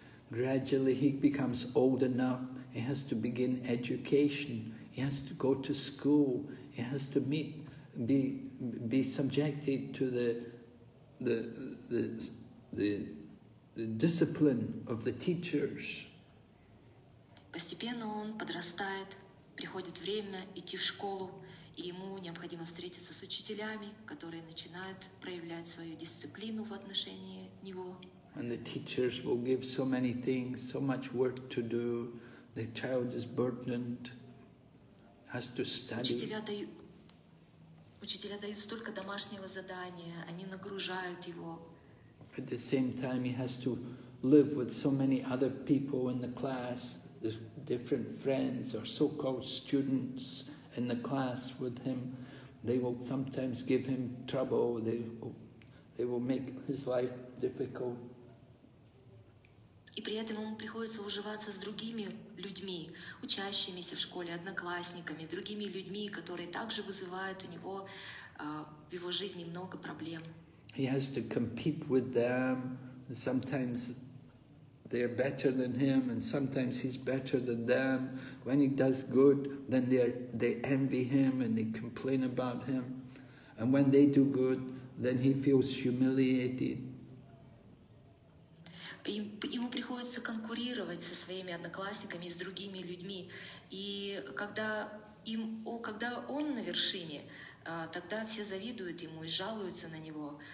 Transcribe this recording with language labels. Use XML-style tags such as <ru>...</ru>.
<en>Gradually he becomes old enough, he has to begin education, he has to go to school, he has to be subjected to the discipline of the teachers.</en> <ru>Постепенно он подрастает, приходит время идти в школу, и ему необходимо встретиться с учителями, которые начинают проявлять свою дисциплину в отношении него.</ru> <en>And the teachers will give so many things, so much work to do. The child is burdened, has to study.</en> <ru>Учителя дают столько домашнего задания, они нагружают его.</ru> <en>At the same time, he has to live with so many other people in the class, the different friends or so-called students. In the class with him, they will sometimes give him trouble, they will make his life difficult.</en> <ru>И при этом ему приходится уживаться с другими людьми, учащимися в школе, одноклассниками, другими людьми, которые также вызывают у него в его жизни много проблем.</ru> <en>He has to compete with them, sometimes they are better than him, and sometimes he's better than them. When he does good, then they envy him and they complain about him. And when they do good, then he feels humiliated.</en> <ru>ему приходится конкурировать со своими одноклассниками, с другими людьми. И когда им, когда он на вершине, тогда все завидуют ему и жалуются на него.</ru>